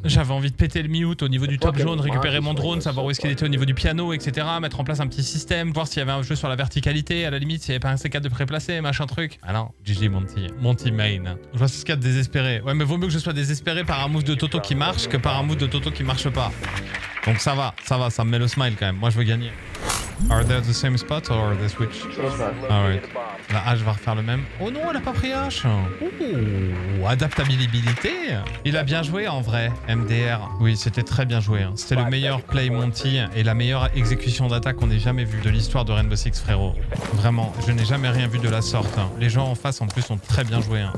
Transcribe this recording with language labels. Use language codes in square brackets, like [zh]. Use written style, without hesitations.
[fr] J'avais envie de péter le mute au niveau du top jaune, récupérer mon drone, savoir où est-ce qu'il était au niveau du piano, etc. Mettre en place un petit système, voir s'il y avait un jeu sur la verticalité, à la limite, s'il n'y avait pas un C4 de préplacer, machin truc. Alors, GG, Monty. Monty main. Je vois C4 désespéré. Ouais, mais vaut mieux que je sois désespéré par un move de Toto qui marche que par un move de Toto qui marche pas. Donc ça va, ça me met le smile quand même. Moi, je veux gagner. [en] Are they at the same spot or they switch? Alright. [fr] La hache va refaire le même. Oh non, elle a pas pris hache. Ouh, adaptabilité. Il a bien joué en vrai, MDR. Oui, c'était très bien joué. C'était le meilleur play Monty et la meilleure exécution d'attaque qu'on ait jamais vue de l'histoire de Rainbow Six, frérot. Vraiment, je n'ai jamais rien vu de la sorte. Les gens en face, en plus, ont très bien joué.